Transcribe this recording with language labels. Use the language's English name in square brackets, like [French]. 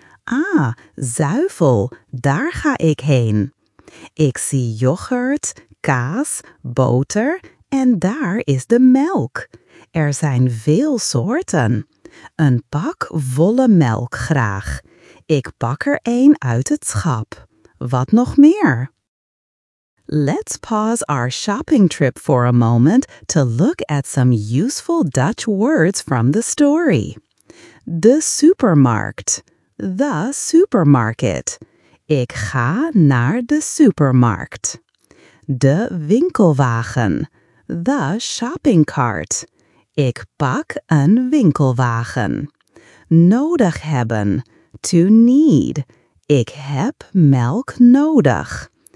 [Dutch] Ah, zuivel, daar ga ik heen. Ik zie yoghurt, kaas, boter en daar is de melk. Er zijn veel soorten. Een pak volle melk graag. Ik pak er één uit het schap. Wat nog meer? [English] Let's pause our shopping trip for a moment to look at some useful Dutch words from the story. The supermarkt. The supermarket. [Dutch] Ik ga naar de supermarkt. De winkelwagen. [English] The shopping cart. [Dutch] Ik pak een winkelwagen. Nodig hebben. [English] To need. [Dutch] Ik heb melk nodig.